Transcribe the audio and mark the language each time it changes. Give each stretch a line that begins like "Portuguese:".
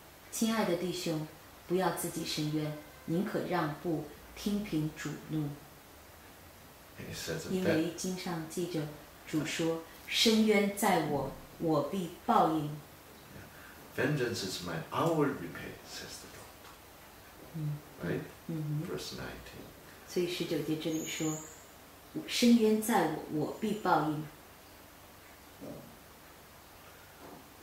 Chinese: 亲爱的弟兄，不要自己伸冤，宁可让步，听凭主怒。因为经上记着，主说：“深渊在我，我必报应。”
English: Vengeance is mine, I will repay, says the Lord. Right? Verse 19.
Chinese: 所以十九节这里说：“深渊在我，我必报应。”